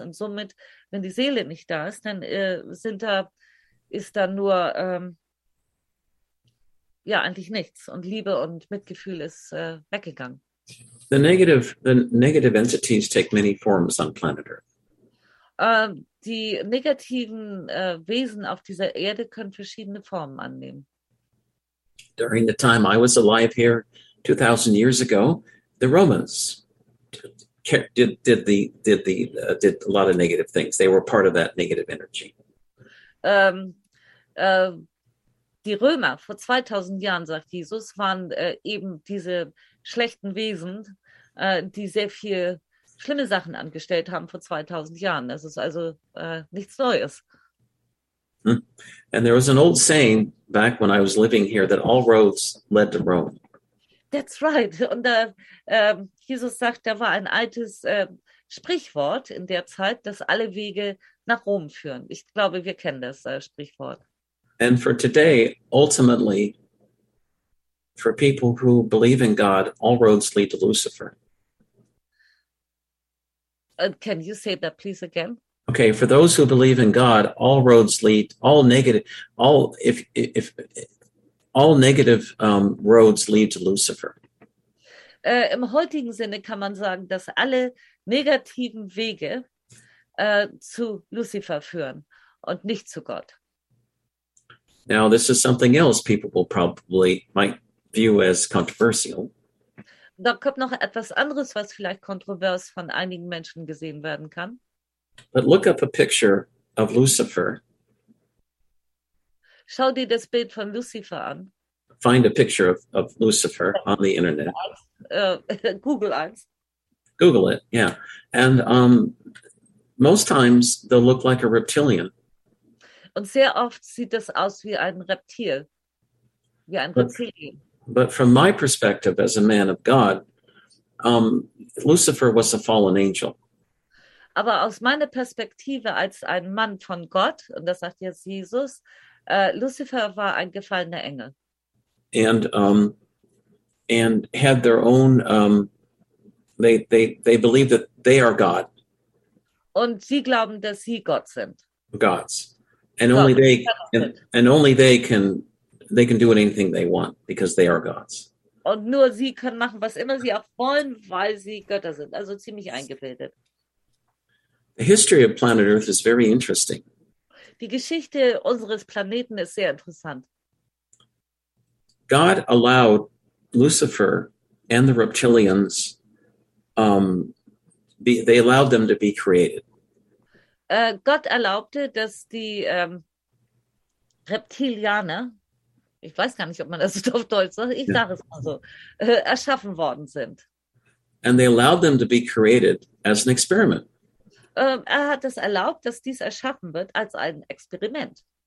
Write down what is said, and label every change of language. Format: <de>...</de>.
<de>Und somit, wenn die Seele nicht da ist, dann ist da nur eigentlich nichts. Und Liebe und Mitgefühl ist weggegangen.</de> <en>The negative entities take many forms on planet Earth.</en> <de>Die negativen Wesen auf dieser Erde können verschiedene Formen annehmen.</de> <en>During the time I was alive here, 2,000 years ago, the Romans did a lot of negative things. They were part of that negative energy.</en> <de>Die Römer vor 2000 Jahren, sagt Jesus, waren eben diese schlechten Wesen, die sehr viel schlimme Sachen angestellt haben vor 2000 Jahren. Das ist also nichts Neues.</de> <en>And there was an old saying back when I was living here that all roads led to Rome. That's right.</en> <de>Und Jesus sagt, da war ein altes Sprichwort in der Zeit, dass alle Wege nach Rom führen. Ich glaube, wir kennen das Sprichwort.</de> <en>And for today, ultimately, for people who believe in God, all roads lead to Lucifer. Can you say that, please, again? Okay, for those who believe in God, all roads lead, all negative, all if all negative roads lead to Lucifer.</en> <de>Im heutigen Sinne kann man sagen, dass alle negativen Wege zu Lucifer führen und nicht zu Gott.</de> <en>Now, this is something else people will probably might view as controversial.</en> <de>Da kommt noch etwas anderes, was vielleicht kontrovers von einigen Menschen gesehen werden kann.</de> <en>But look up a picture of Lucifer.</en> <de>Schau dir das Bild von Lucifer an.</de> <en>Find a picture of Lucifer on the internet.</en> <de>Google eins.</de> <en>Google it, yeah. And most times they'll look like a reptilian.</en> <de>Und sehr oft sieht das aus wie ein Reptil. Wie ein Reptilien.</de> <en>But from my perspective as a man of God, Lucifer was a fallen angel.</en> <de>Aber aus meiner Perspektive als ein Mann von Gott, und das sagt jetzt Jesus, Lucifer war ein gefallener Engel.</de> <en>And had their own, they believe that they are God.</en> <de>Und sie glauben, dass sie Gott sind.</de> <en>Gods. And only Gott, they, and only they can do anything they want because they are gods.</en> <de>Und nur sie können machen, was immer sie auch wollen, weil sie Götter sind. Also ziemlich eingebildet.</de> <en>The history of planet Earth is very interesting.</en> <de>Die Geschichte unseres Planeten ist sehr interessant.</de> <en>God allowed Lucifer and the Reptilians, they allowed them to be created.</en> <de>Gott erlaubte, dass die Reptilianer, ich weiß gar nicht, ob man das auf Deutsch sagt, ich sage es mal so, erschaffen worden sind.</de> <en>And they allowed them to be created as an experiment.</en> <de>Er hat es erlaubt, dass dies erschaffen wird als ein Experiment.</de>